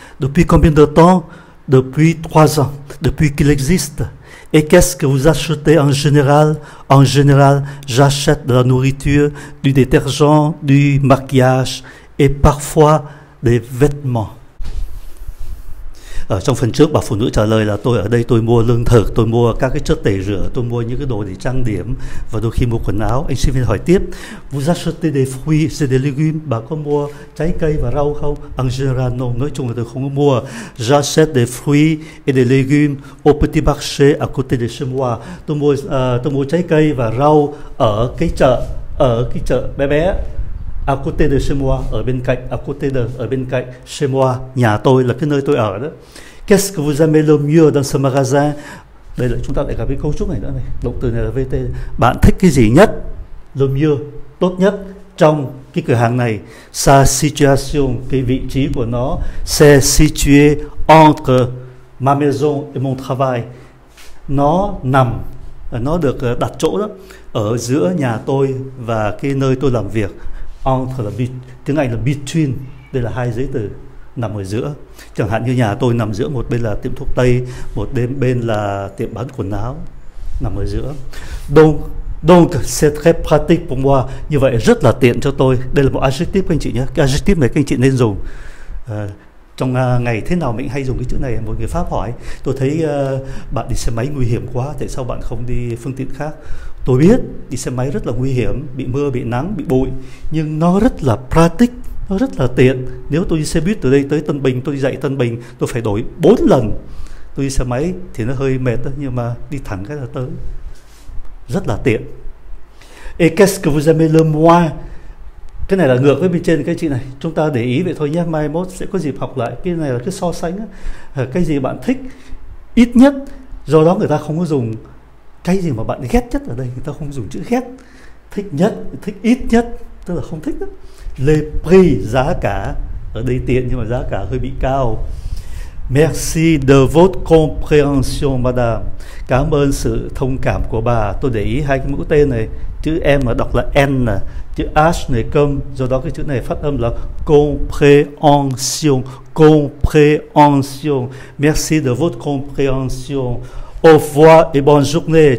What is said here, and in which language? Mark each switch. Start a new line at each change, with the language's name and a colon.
French: Depuis combien de temps? Depuis 3 ans, depuis qu'il existe. Et qu'est-ce que vous achetez en général? En général, j'achète de la nourriture, du détergent, du maquillage et parfois des vêtements.
Vietnamese: Ở trong phần trước bà phụ nữ trả lời là tôi ở đây tôi mua lương thực, tôi mua các cái chất tẩy rửa, tôi mua những cái đồ để trang điểm và đôi khi mua quần áo. Anh sinh viên hỏi tiếp,
French: vous achetez des fruits et des légumes,
Vietnamese: bà có mua trái cây và rau không?
French: En général, non,
Vietnamese: nói chung là tôi không có mua.
French: J'achète des fruits et des légumes au petit marché à côté de chez moi.
Vietnamese: Tôi mua trái cây và rau ở cái chợ bé bé.
French: À côté de chez moi,
Vietnamese: ở bên cạnh,
French: à côté de,
Vietnamese: ở bên cạnh,
French: chez moi,
Vietnamese: nhà tôi là cái nơi tôi ở đó.
French: Qu'est-ce que vous aimez le mieux dans ce magasin?
Vietnamese: Đây là chúng ta lại gặp cái cấu trúc này nữa này, động từ này là VT. Bạn thích cái gì nhất,
French: le mieux,
Vietnamese: tốt nhất trong cái cửa hàng này?
French: Sa situation,
Vietnamese: cái vị trí của nó,
French: c'est situé entre ma maison et mon travail.
Vietnamese: Nó nằm, nó được đặt chỗ đó, ở giữa nhà tôi và cái nơi tôi làm việc. Entre là tiếng Anh là between, đây là hai giấy từ nằm ở giữa. Chẳng hạn như nhà tôi nằm giữa, một bên là tiệm thuốc tây, một bên là tiệm bán quần áo, nằm ở giữa.
French: Donc c'est très pratique pour moi,
Vietnamese: như vậy rất là tiện cho tôi. Đây là một adjective các anh chị nhé, cái adjective này các anh chị nên dùng. Trong ngày thế nào mình hay dùng cái chữ này? Một người Pháp hỏi, tôi thấy bạn đi xe máy nguy hiểm quá, tại sao bạn không đi phương tiện khác? Tôi biết đi xe máy rất là nguy hiểm, bị mưa, bị nắng, bị bụi, nhưng nó rất là pratic, nó rất là tiện. Nếu tôi đi xe buýt từ đây tới Tân Bình, tôi đi dạy Tân Bình, tôi phải đổi 4 lần. Tôi đi xe máy thì nó hơi mệt, nhưng mà đi thẳng cái là tới. Rất là tiện.
French: Et qu'est-ce que vous aimez le moins?
Vietnamese: Cái này là ngược với bên trên cái chị này. Chúng ta để ý vậy thôi nhé, mai mốt sẽ có dịp học lại. Cái này là cái so sánh, cái gì bạn thích ít nhất, do đó người ta không có dùng. Cái gì mà bạn ghét nhất ở đây, người ta không dùng chữ ghét. Thích nhất, thích ít nhất, tức là không thích đó.
French: Le prix,
Vietnamese: giá cả. Ở đây tiện nhưng mà giá cả hơi bị cao.
French: Merci de votre compréhension, madame.
Vietnamese: Cảm ơn sự thông cảm của bà. Tôi để ý hai cái mũi tên này. Chữ M mà đọc là N, chữ H này cơm. Do đó cái chữ này phát âm là compréhension.
French: Compréhension. Merci de votre compréhension. Au revoir et bonne journée.